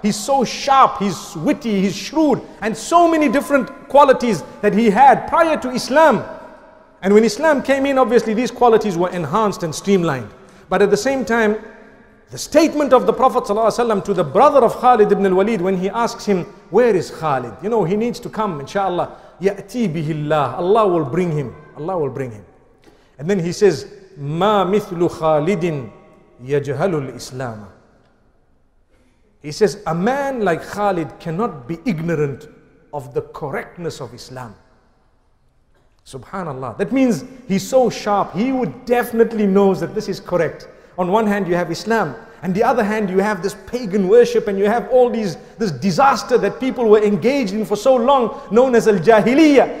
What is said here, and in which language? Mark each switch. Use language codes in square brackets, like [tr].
[en] He's so sharp, he's witty, he's shrewd, and so many different qualities that he had prior to Islam. And when Islam came in, obviously these qualities were enhanced and streamlined. But at the same time, the statement of the Prophet ﷺ to the brother of Khalid ibn al-Walid, when he asks him, where is Khalid? You know, he needs to come, inshallah. [ar] Ya'ti bihi Allah. [en] Allah will bring him. Allah will bring him. And then he says, [ar] مَا مِثْلُ خَالِدٍ يَجْهَلُ الْإِسْلَامَ. [en] He says, a man like Khalid cannot be ignorant of the correctness of Islam. Subhanallah. That means he's so sharp, he would definitely knows that this is correct. On one hand you have Islam, and the other hand you have this pagan worship, and you have all these, this disaster that people were engaged in for so long, known as al-jahiliyyah.